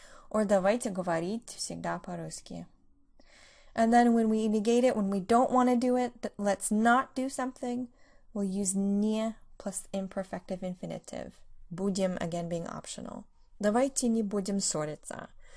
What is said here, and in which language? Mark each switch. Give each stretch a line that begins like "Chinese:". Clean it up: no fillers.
Russian: Or давайте говорить всегда по-русски.
English: And then when we negate it, when we don't want to do it, let's not do something, we'll use не plus imperfective infinitive. Будем again being optional.
Russian: Давайте не будем ссориться.